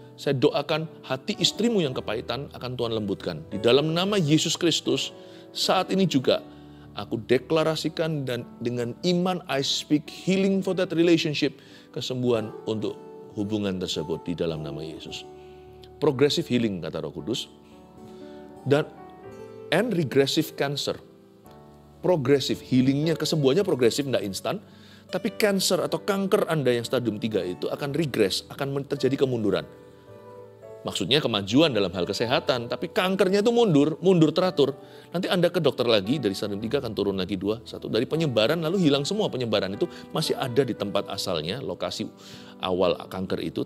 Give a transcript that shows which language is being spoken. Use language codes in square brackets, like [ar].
[id] Saya doakan hati istrimu yang kepahitan akan Tuhan lembutkan. Di dalam nama Yesus Kristus, saat ini juga aku deklarasikan dan dengan iman [en] I speak healing for that relationship, [id] kesembuhan untuk hubungan tersebut di dalam nama Yesus. [en] Progressive healing [id] kata Roh Kudus. Dan [en] and regressive cancer. [id] Progressive healingnya, kesembuhannya progresif, tidak instan. Tapi cancer atau kanker Anda yang stadium 3 itu akan regress, akan terjadi kemunduran. Maksudnya kemajuan dalam hal kesehatan, tapi kankernya itu mundur, mundur teratur. Nanti Anda ke dokter lagi, dari stadium 3 akan turun lagi 2, 1. Dari penyebaran lalu hilang semua penyebaran itu, masih ada di tempat asalnya, lokasi awal kanker itu.